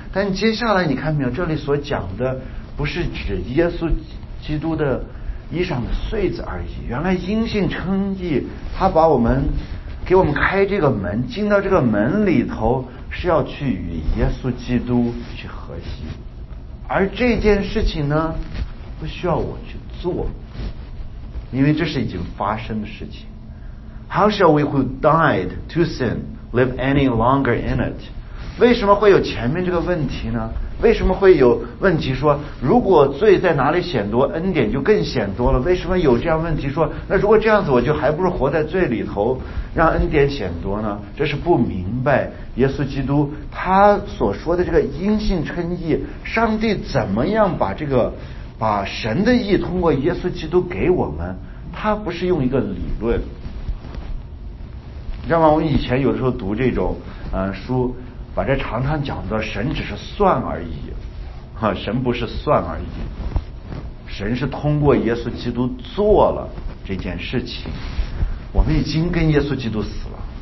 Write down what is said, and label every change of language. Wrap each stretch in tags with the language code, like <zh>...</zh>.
<zh>但接下来你看没有，这里所讲的不是指耶稣基督的衣上的穗子而已，原来因信称义，他把我们给我们开这个门，进到这个门里头是要去与耶稣基督去和稀，而这件事情呢不需要我去做，因为这是已经发生的事情。</zh> <en>How shall we who died to sin live any longer in it?</en> <zh>为什么会有前面这个问题呢？为什么会有问题说如果罪在哪里显多，恩典就更显多了？为什么有这样问题说那如果这样子我就还不是活在罪里头让恩典显多呢？这是不明白耶稣基督他所说的这个因信称义，上帝怎么样把这个把神的义通过耶稣基督给我们，他不是用一个理论，知道吗？我以前有的时候读这种书，把这常常讲的神只是算而已，哈，神不是算而已，神是通过耶稣基督做了这件事情，我们已经跟耶稣基督死了。</zh>